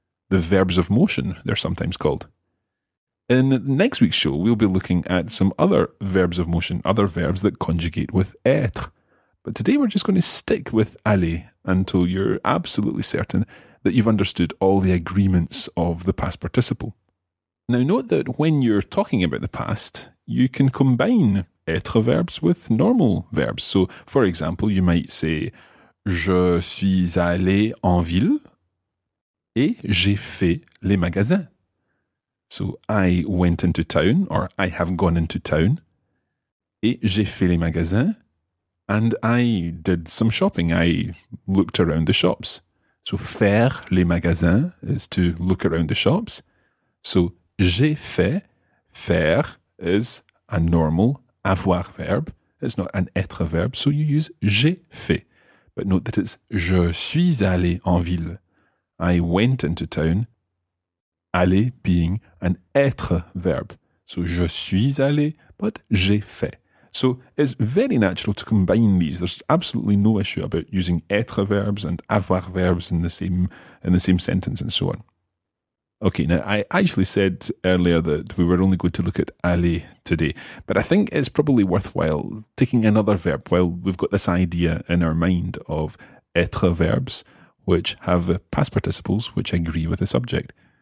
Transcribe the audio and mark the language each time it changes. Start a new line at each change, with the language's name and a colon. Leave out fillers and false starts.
English: The verbs of motion, they're sometimes called. In next week's show, we'll be looking at some other verbs of motion, other verbs that conjugate with être. But today we're just going to stick with aller until you're absolutely certain that you've understood all the agreements of the past participle. Now note that when you're talking about the past, you can combine être verbs with normal verbs. So, for example, you might say
French: je suis allé en ville et j'ai fait les magasins.
English: So, I went into town, or I have gone into town,
French: et j'ai fait les magasins,
English: and I did some shopping. I looked around the shops. So,
French: faire les magasins
English: is to look around the shops. So,
French: j'ai fait,
English: faire is a normal avoir verb. It's not an être verb, so you use
French: j'ai fait.
English: But note that it's
French: je suis allé en ville.
English: I went into town. Aller being an être verb.
French: So, je suis allé, but j'ai fait.
English: So, it's very natural to combine these. There's absolutely no issue about using être verbs and avoir verbs in the same sentence and so on. Okay, now, I actually said earlier that we were only going to look at aller today, but I think it's probably worthwhile taking another verb while we've got this idea in our mind of être verbs, which have past participles which agree with the subject.